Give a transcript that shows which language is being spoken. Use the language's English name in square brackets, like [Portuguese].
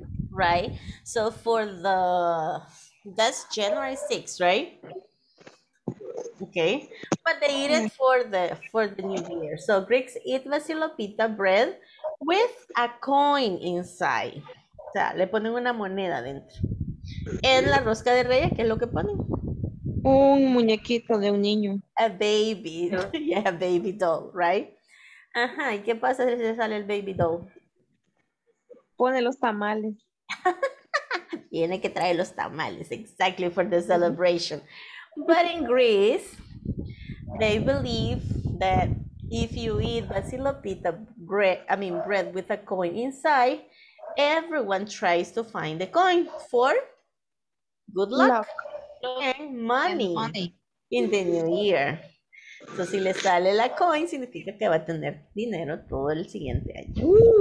[English] Right? So for the, that's January 6th, right? Okay. But they eat it for the New Year. So Greeks eat basilopita bread with a coin inside. [Spanish] O sea, le ponen una moneda dentro. En la rosca de reyes, ¿qué es lo que ponen? Un muñequito de un niño. [English] A baby. Yeah, a baby doll, right? [Spanish] Ajá, ¿y qué pasa si se sale el baby doll? Pone los tamales. Tiene que traer los tamales, [English] exactly, for the celebration. But in Greece, they believe that if you eat basilopita bread with a coin inside, everyone tries to find the coin for good luck and money in the new year. [Spanish] So si le sale la coin, significa que va a tener dinero todo el siguiente año.